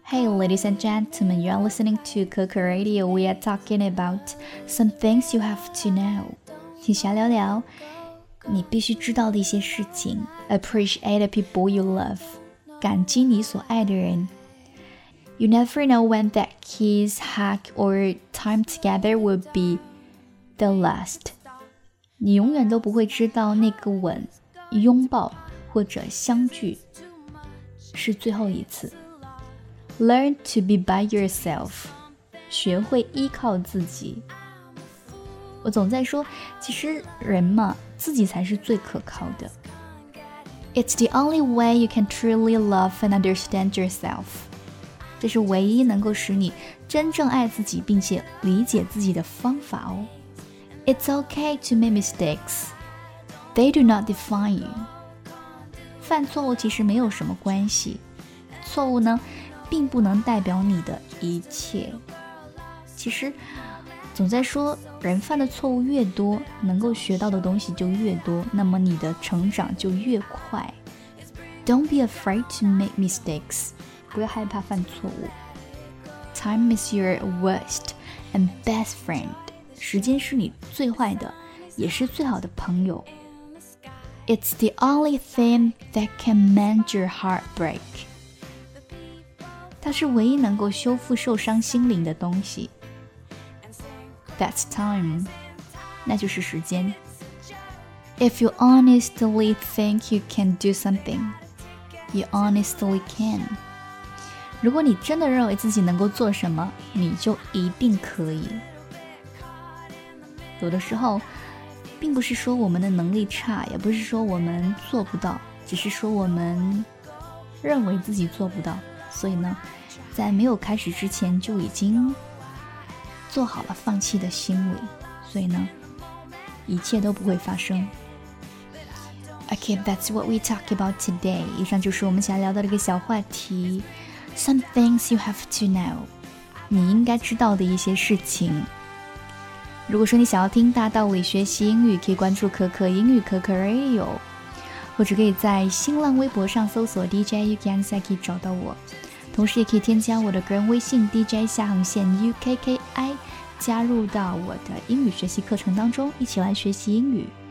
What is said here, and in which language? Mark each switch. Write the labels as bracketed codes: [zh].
[en] Hey, ladies and gentlemen, you're listening to Coco Radio. We are talking about some things you have to know. [zh] 请小聊聊你必须知道的一些事情。 [en] Appreciate the people you love. [zh] 感激你所爱的人。 [en] You never know when that kiss, hug, or time together will be the last. [zh] 你永远都不会知道那个吻、拥抱或者相聚是最后一次。 [en] Learn to be by yourself. [zh] 学会依靠自己。我总在说，其实人嘛，自己才是最可靠的。 [en] It's the only way you can truly love and understand yourself. [zh] 这是唯一能够使你真正爱自己并且理解自己的方法哦。 [en] It's okay to make mistakes. They do not define you. [zh] 犯错误其实没有什么关系。错误呢，并不能代表你的一切。其实，总在说，人犯的错误越多，能够学到的东西就越多，那么你的成长就越快。 [en] Don't be afraid to make mistakes. [zh] 不要害怕犯错误。 [en] Time is your worst and best friend. [zh] 时间是你最坏的，也是最好的朋友。 [en] It's the only thing that can mend your heartbreak. [zh] 它是唯一能够修复受伤心灵的东西。 [en] That's time. [zh] 那就是时间。 [en] If you honestly think you can do something, you honestly can. [zh] 如果你真的认为自己能够做什么，你就一定可以。有的时候，并不是说我们的能力差，也不是说我们做不到，只是说我们认为自己做不到，所以呢，在没有开始之前就已经做好了放弃的心理，所以呢，一切都不会发生。 [en] Okay, that's what we talk about today. [zh] 以上就是我们想要聊到的一个小话题。 [en] Some things you have to know. [zh] 你应该知道的一些事情。如果说你想要听大道理学习英语，可以关注可可英语可可 Radio， 或者可以在新浪微博上搜索 DJ Yuki Anzaki 找到我。同时也可以添加我的个人微信 DJ 下横线 UKKI， 加入到我的英语学习课程当中，一起来学习英语。